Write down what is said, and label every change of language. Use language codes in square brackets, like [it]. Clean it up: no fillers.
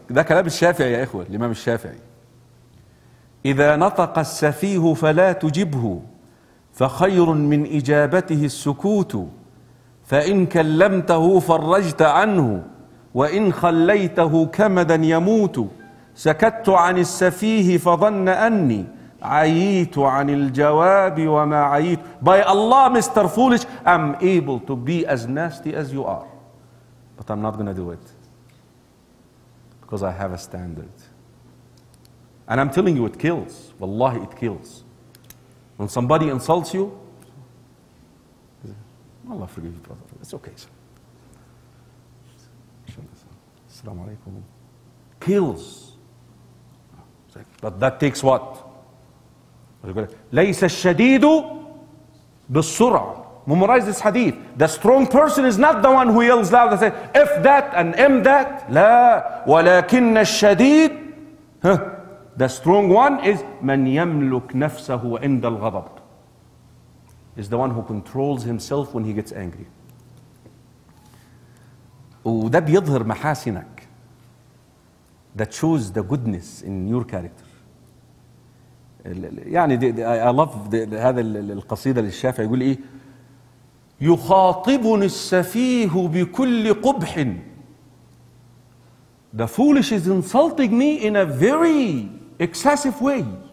[ar] ده كلام الشافعي يا إخوة, الإمام الشافعي. إذا نطق السفيه فلا تجبه فخير من إجابته السكوت فإن كلمته فرجت عنه وإن خليته كمدا يموت سكت عن السفيه فظن أني عييت عن الجواب وما عييت. [en] By Allah, Mr. Foolish, I'm able to be as nasty as you are. But I'm not going to do it because I have a standard. And I'm telling you, it kills. Wallahi, it kills. When somebody insults you, Allah forgive you, brother. It's okay, sir. Assalamu alaikum. Kills. But that takes what? [ar] ليس الشديد بالسرعة. [en] Memorize this hadith. The strong person is not the one who yells loud and says, if that and am that. [ar] لا. ولكن الشديد. Huh. [en] The strong one is [ar] من يملك نفسه عند الغضب. [en] Is the one who controls himself when he gets angry. [ar] وده بيظهر محاسنك. [en] That shows the goodness in your character. [ar] يعني [en] I love [ar] هذا القصيدة للشافعي. يقول إيه؟ يخاطبني السفيه بكل قبح. [en] The foolish is insulting me in a very excessive way.